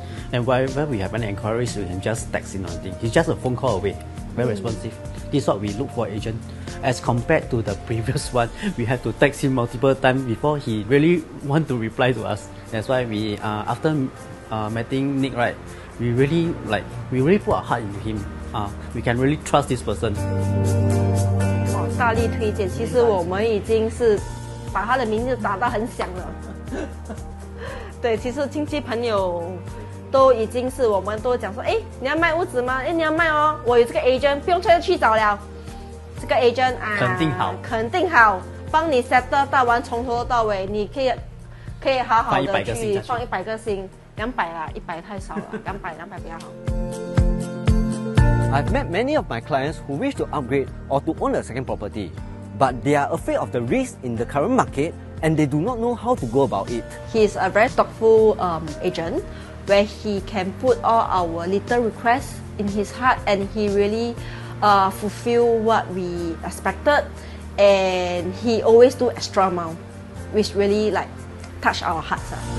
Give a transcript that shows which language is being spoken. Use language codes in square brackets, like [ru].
[en] And whenever we have any inquiries, we can just text him or anything. He's just a phone call away, very responsive. This is what we look for agent. As compared to the previous one, we have to text him multiple times before he really want to reply to us. That's why we, meeting Nick, right, we really put our heart into him. We can really trust this person. [zh] 大力推荐，其实我们已经是把他的名字打到很响了，对，其实亲戚朋友都已经是我们都讲说，哎，你要卖屋子吗？哎，你要卖哦，我有这个 agent， 不用再去找了，这个 agent 啊，肯定好，帮你 settle 到完，从头到尾，你可以好好的去放一百个心，200啦，100太少了，200比较好。 [en] I've met many of my clients who wish to upgrade or to own a second property. But they are afraid of the risk in the current market and they do not know how to go about it. He is a very thoughtful agent where he can put all our little requests in his heart and he really fulfill what we expected and he always do extra mile, which really like touch our hearts.